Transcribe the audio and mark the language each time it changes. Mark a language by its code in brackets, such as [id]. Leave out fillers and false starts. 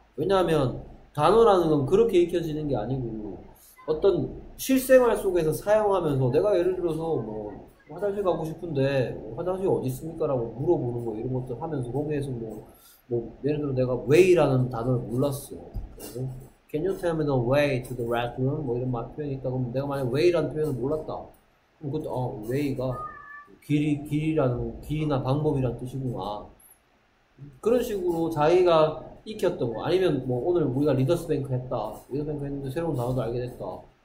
[ko] 왜냐하면 단어라는 건 그렇게 익혀지는 게 아니고 어떤 실생활 속에서 사용하면서 내가 예를 들어서 뭐 화장실 가고 싶은데 화장실 어디 있습니까? 라고 물어보는 거 이런 것들 하면서 거기에서 뭐 예를 들어 내가 way라는 단어를 몰랐어. [en] Can you tell me the way to the restroom? [ko] 뭐 이런 표현이 있다. 그럼 내가 만약에 way라는 표현을 몰랐다. 그럼 그것도 way가 길이나 방법이란 뜻이구나. 그런 식으로 자기가 익혔던 거. 아니면 뭐 오늘 우리가 리더스뱅크 했다. 리더스뱅크 했는데 새로운 단어도 알게 됐다.